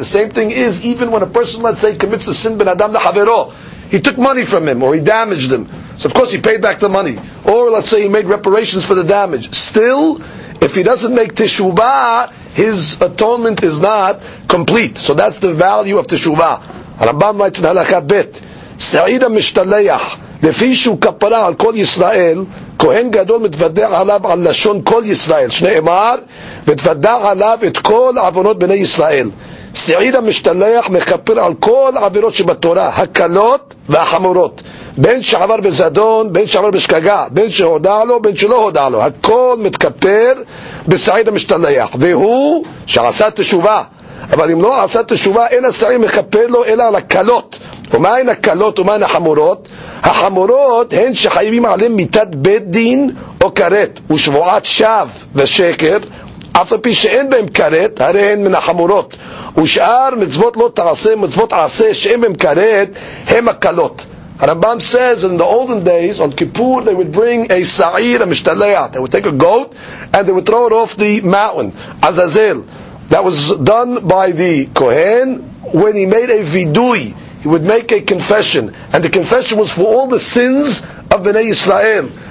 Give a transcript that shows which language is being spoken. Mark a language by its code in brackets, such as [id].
[en] The same thing is even when a person, let's say, commits a sin [he] ben adam la havero, [en] he took money from him or he damaged him. So of course he paid back the money. Or let's say he made reparations for the damage. Still, if he doesn't make teshuvah, his atonement is not complete. So that's the value of teshuvah. Rambam writes in Halakha Bet, [he] Sa'ida mishtaleyah, lefishu kapara al kol Yisrael, כהן גדול מתוודה עליו על לשון כל ישראל, שנאמר, ותוודה עליו את כל עוונות בני ישראל. שעיר המשתלח מכפר על כל עבירות שבתורה, הקלות והחמורות, בין שעבר בזדון, בין שעבר בשקגה, בין שהודע לו, בין שלא הודע לו, הכל מתכפר בשעיר המשתלח. והוא שעשה תשובה, אבל אם לא עשה תשובה, אין השעיר מכפר לו, אלא על הקלות. ומהן הקלות ומהן החמורות? החמורות הן שחייבים עליהן מיתת בית דין או קרת ושבועת שווא ושקר, אף פי שאין בהם קרת, הרי הן מן החמורות. ושאר מצוות לא תעשה, מצוות עשה שאין בהם קרת, הם הקלות. [en] הרמב״ם says in the olden days, on Kippur, they would bring a sa'ir, a משתלח. They would take a goat and they would throw it off the mountain, Azazel. That was done by the Kohen when he made a vidui. He would make a confession. And the confession was for all the sins of Bnei Yisrael.